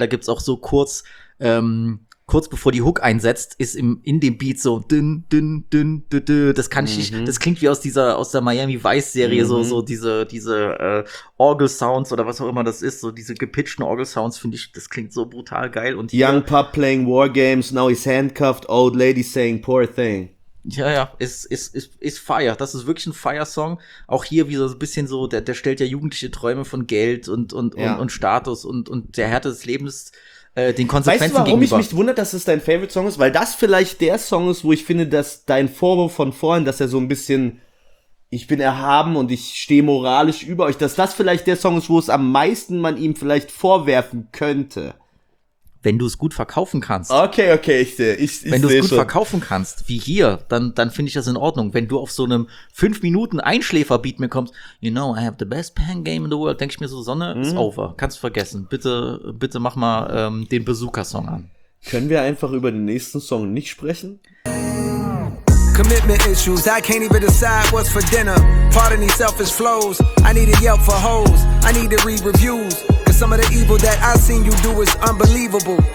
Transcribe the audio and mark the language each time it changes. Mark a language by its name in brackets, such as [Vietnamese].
[German] Da gibt's auch so kurz bevor die Hook einsetzt, ist in dem Beat so dünn, dünn, dünn, dünn, dünn. Das kann ich nicht, das klingt wie aus der Miami Vice-Serie, so diese Orgel-Sounds oder was auch immer das ist, so diese gepitchten Orgel-Sounds, finde ich, das klingt so brutal geil. Und [English] hier, Young Pup playing War Games, now he's handcuffed, old lady saying poor thing. [German] Ja, ja, ist Fire. Das ist wirklich ein Fire-Song. Auch hier, wie so ein bisschen so, der stellt ja jugendliche Träume von Geld und Status und der Härte des Lebens. Den Konsequenzen gegenüber. Weißt du, warum ich mich wundere, dass es dein Favorite Song ist? Weil das vielleicht der Song ist, wo ich finde, dass dein Vorwurf von vorhin, dass er so ein bisschen, ich bin erhaben und ich stehe moralisch über euch, dass das vielleicht der Song ist, wo es am meisten man ihm vielleicht vorwerfen könnte. Wenn du es gut verkaufen kannst. Okay, ich sehe schon. Wenn du es gut verkaufen kannst, wie hier, dann finde ich das in Ordnung. Wenn du auf so einem 5-Minuten-Einschläfer-Beat mir kommst, you know, I have the best pen game in the world, denke ich mir so, Sonne ist over. Kannst du vergessen. Bitte mach mal den Besucher-Song an. Können wir einfach über den nächsten Song nicht sprechen? [English] Commitment issues, I can't even decide what's for dinner. Pardon these selfish flows, I need a yelp for hoes. I need to read reviews. Some of the evil that I seen you do is unbelievable.